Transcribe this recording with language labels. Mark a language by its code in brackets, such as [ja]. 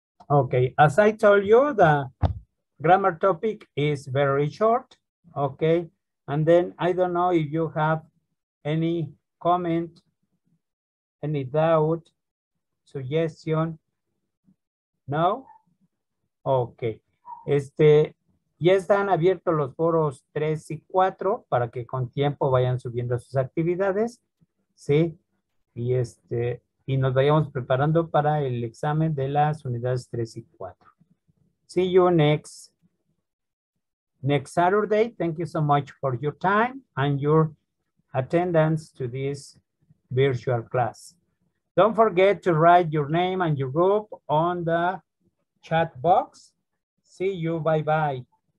[en] Okay, as I told you, the grammar topic is very short, okay? And then I don't know if you have any comment, any doubt, suggestion, no? Okay. [es] Ya están abiertos los foros 3 y 4 para que con tiempo vayan subiendo sus actividades, ¿sí? Y nos vayamos preparando para el examen de las unidades 3 y 4. [en] See you next Saturday. Thank you so much for your time and your attendance to this virtual class. Don't forget to write your name and your group on the chat box. See you. Bye-bye.